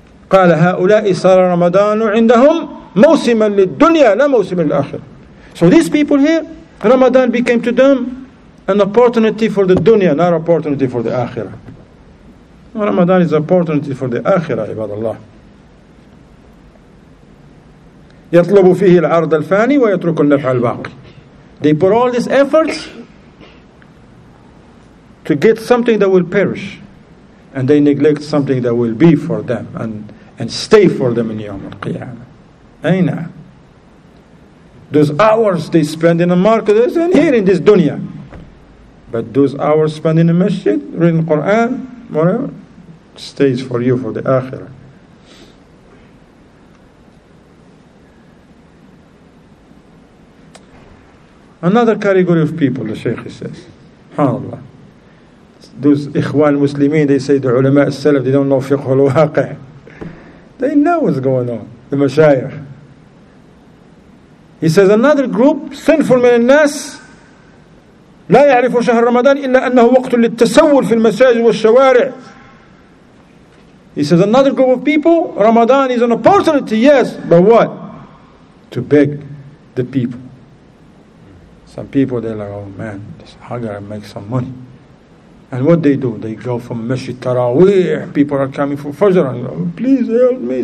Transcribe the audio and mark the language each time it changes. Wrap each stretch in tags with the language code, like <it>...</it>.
<ar>قال هؤلاء صار رمضان عندهم موسما للدنيا لا موسم للآخر.</ar> <en>So these people here, Ramadan became to them an opportunity for the dunya, not opportunity for the akhirah. Ramadan is opportunity for the akhirah,</en> <ar>عباد الله. يطلب فيه العرض الفاني ويترك النفع الباقي.</ar> <en>They put all these efforts to get something that will perish, and they neglect something that will be for them and stay for them in</en> <ar>يوم القيامة. أين؟</ar> <en>Those hours they spend in the market and here in this dunya, but those hours spent in the masjid reading Quran, whatever, stays for you for the akhirah. Another category of people, the Shaykh says. Subhanallah. Those Ikhwan Muslimin, they say the ulama as-salaf, they don't know fiqh al-waqih. They know what's going on, the mashayikh. He says another group, sinful</en> <ar>من الناس, لا يعرف شهر رمضان إلا أنه وقت للتسول في المساجد والشوارع.</ar> <en>He says another group of people, Ramadan is an opportunity, yes, but what? To beg the people. Some people, they're like, oh man, I gotta make some money. And what they do? They go from Masjid Taraweeh, people are coming from Fajr, and go, please help me.</en>